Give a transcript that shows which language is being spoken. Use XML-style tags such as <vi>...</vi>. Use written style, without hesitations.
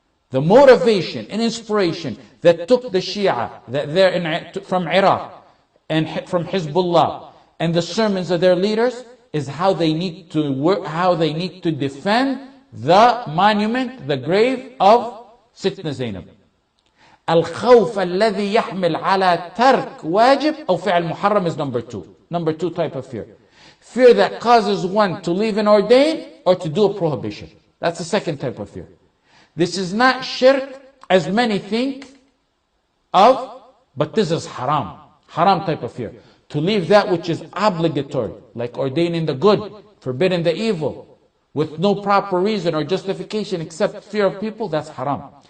<en>The motivation and inspiration that took the Shia that they're from Iraq and from Hezbollah and the sermons of their leaders is how they need to work, how they need to defend the monument, the grave of Sidna Zainab.</en> <ar>الخوف الذي يحمل على ترك واجب أو فعل محرم</ar> <en>is number two. Number two type of fear. Fear that causes one to leave an ordain or to do a prohibition. That's the second type of fear. This is not shirk as many think of, but this is haram. Haram type of fear. To leave that which is obligatory, like ordaining the good, forbidding the evil, with no proper reason or justification except fear of people, that's haram.</en>